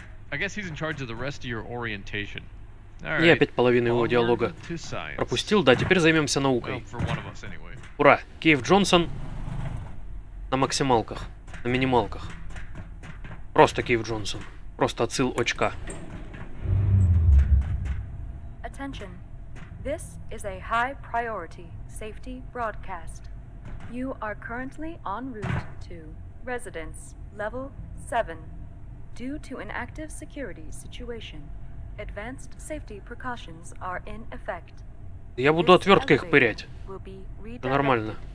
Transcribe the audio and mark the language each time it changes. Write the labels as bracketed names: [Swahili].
[English] I guess he's in charge of the rest of your orientation. [Russian] Я опять половину его диалога пропустил. Да, теперь займемся наукой. Ура, Кейв Джонсон на максималках, на минималках. Просто Кейв Джонсон, просто отсыл очка. [English] Attention, this is a high priority safety broadcast. You are currently en route to residence level 7. Due to an active security situation, advanced safety precautions are in effect. [Russian] Я буду отверткой их пырять. Это нормально.